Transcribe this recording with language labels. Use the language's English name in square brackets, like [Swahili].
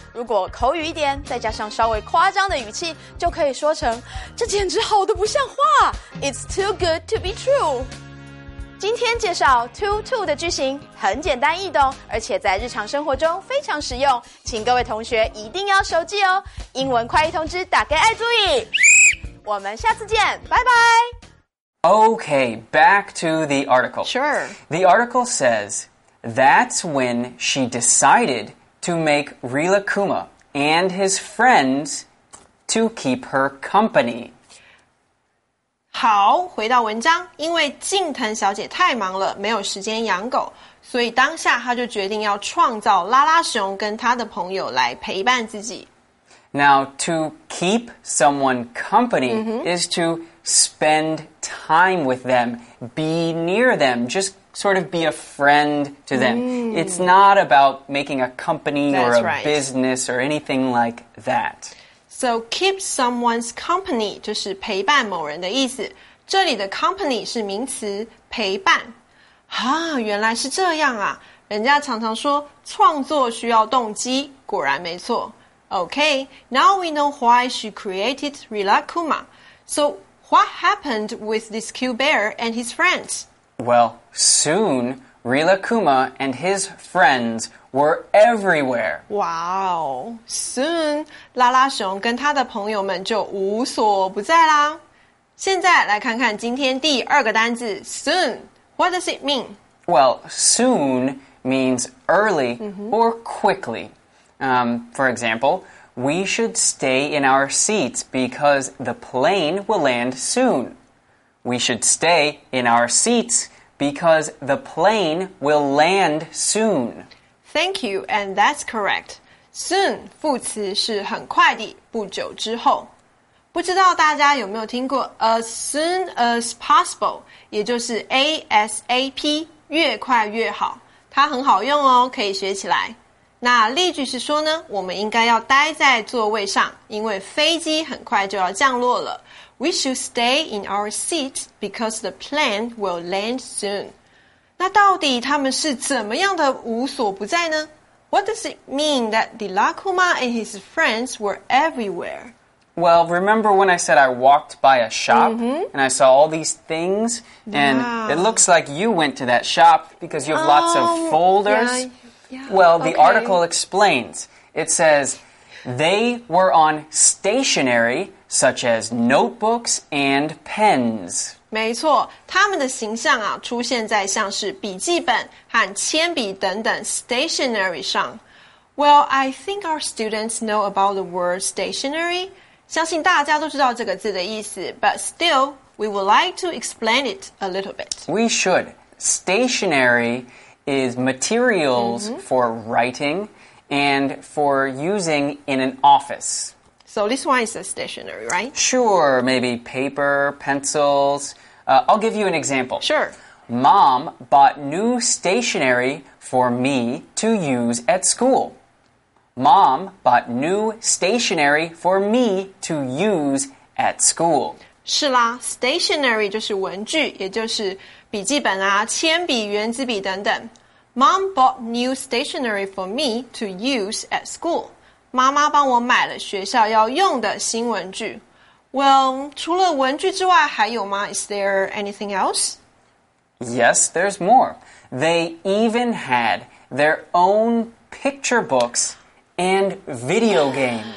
[Chinese] 如果口语一点，再加上稍微夸张的语气，就可以说成这简直好得不像话 ， [English] It's too good to be true。 [Chinese] 今天介绍 to 的句型，很简单易懂，而且在日常生活中非常实用，请各位同学一定要熟记哦。英文快译通知打给爱注意，我们下次见，拜拜。 [English] Okay, back to the article. Sure. The article says, that's when she decided to make Rila Kuma and his friends to keep her company. [Chinese] 好，回到文章，因为静藤小姐太忙了，没有时间养狗，所以当下她就决定要创造拉拉熊跟她的朋友来陪伴自己。 [English] Now, to keep someone company、mm-hmm. is to spend time with them, be near them, just sort of be a friend to them.、Mm. It's not about making a company、 That's、 or a、 right. business or anything like that. So keep someone's company [Chinese] 就是陪伴某人的意思。这里的 company 是名词陪伴。啊，原来是这样啊。人家常常说创作需要动机，果然没错。 [English] Okay, now we know why she created Rila Kuma. So, what happened with this Q Bear and his friends? Well, soon, Rila Kuma and his friends were everywhere. [Chinese] Wow, soon, 拉拉熊跟他的朋友们就无所不在啦。现在来看看今天第二个单字 soon. [English] What does it mean? Well, soon means early、mm-hmm. or quickly. For example, we should stay in our seats because the plane will land soon. We should stay in our seats because the plane will land soon. Thank you, and that's correct. [Chinese] Soon, 副词是很快的，不久之后。不知道大家有没有听过 [English] as soon as possible, [Chinese] 也就是 ASAP, 越快越好。它很好用哦，可以学起来。那例句是说呢，我们应该要待在座位上，因为飞机很快就要降落了。 [English] We should stay in our seats because the plane will land soon. [Chinese] 那到底他们是怎么样的无所不在呢？ [English] What does it mean that Rila Kuma and his friends were everywhere? Well, remember when I said I walked by a shop、mm-hmm. and I saw all these things? And、 yeah. it looks like you went to that shop because you have lots of folders.、 Yeah. Yeah, well, the、okay. article explains. It says, they were on stationery, such as notebooks and pens. [Chinese] 没错，他们的形象啊，出现在像是笔记本和铅笔等等 stationery 上。 [English] Well, I think our students know about the word stationery. [Chinese] 相信大家都知道这个字的意思 [English] but still, we would like to explain it a little bit. We should. Stationery... is materials、mm-hmm. for writing and for using in an office. So this one is a stationery, right? Sure, maybe paper, pencils.、I'll give you an example. Sure. Mom bought new stationery for me to use at school. Mom bought new stationery for me to use at school. [Chinese] 是啦 stationery 就是文具，也就是笔记本啊，铅笔、圆珠笔等等。 [English] Mom bought new stationery for me to use at school. [Chinese] 妈妈帮我买了学校要用的新文具。 Well, 除了文具之外还有吗? [English] Is there anything else? Yes, there's more. They even had their own picture books and video games.